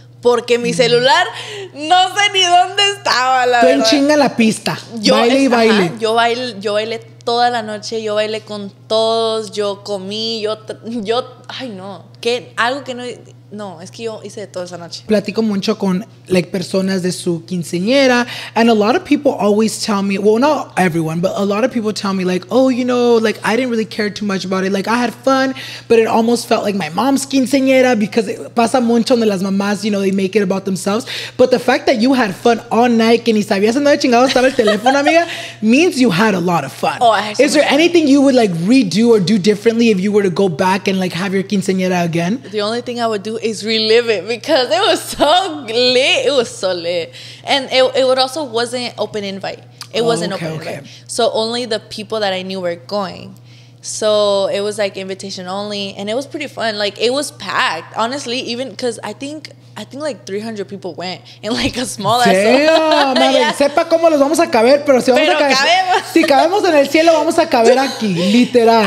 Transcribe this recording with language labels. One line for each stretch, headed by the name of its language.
Spanish: Porque mi celular no sé ni dónde estaba, la verdad. Tú en chinga la pista. Baile y baile. Yo bailé toda la noche, yo bailé con todos, yo comí, yo. Ay, no. que algo que no, no, es que yo hice de todo esa noche. Platico mucho con like personas de su quinceañera,
English: and a lot of people always tell me, well, not everyone, but a lot of people tell me like, oh, you know, like I didn't really care too much about it, like I had fun, but it almost felt like my mom's quinceañera, because it
Spanish: pasa mucho donde las mamás,
English: you know, they make it about themselves. But the fact that you had fun all night,
Spanish: que ni sabías dónde chingado estaba el teléfono, amiga,
English: means you had a lot of fun. Oh, I is so there fun. Anything you would like redo or do differently if you were to go back and like have your quinceañera again? The only thing I would do is relive it, because it was so lit. It was so lit. And it also wasn't open invite. It wasn't okay, open invite. So only the people that I knew were going. So it was like invitation only. And it was pretty fun. Like it was packed. Honestly, even because I think like 300 people went in like a small ass. Damn, yeah.
Spanish: Sepa cómo los vamos a caber, pero si vamos pero a caber. Cabemos. Si cabemos en el cielo, vamos a caber aquí, literal.